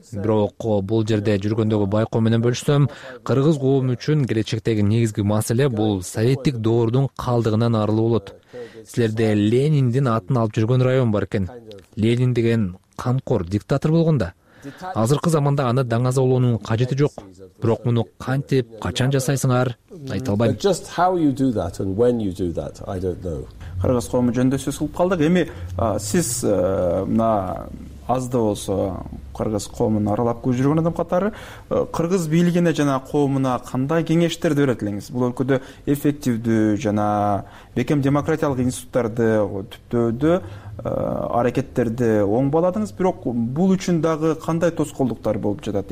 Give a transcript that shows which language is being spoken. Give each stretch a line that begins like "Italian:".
Kyrgyz: Бирок бул жерде жүргөндөгү байкоо менен бөлүшсөм, кыргыз коому үчүн келечектеги негизги маселе бул советтик доордун калдыгынан арылуу болот. Силерде Лениндин атын алып жүргөн район бар экен. Ленин деген камкор диктатор болгонда, азыркы заманда аны даңазалоонун кажети жок. Бирок муну кантип, качан жасайсыңар, айта албайм.
English: Just how you do that and when you do that, I don't know.
Kyrgyz: Кыргыз коому жөнүндө сөз кылып калдык. Эми сиз мына аз да болсо кыргыз коомун аралап көз жүргөн адам катары кыргыз бийлигине жана коомуна кандай кеңештерди берет элеңиз? Бул өлкөдө эффективдүү жана бекем демократиялык институттарды түптөөдө аракеттерди оң бааладыңыз, бирок бул үчүн дагы кандай тоскоолдуктар болуп жатат?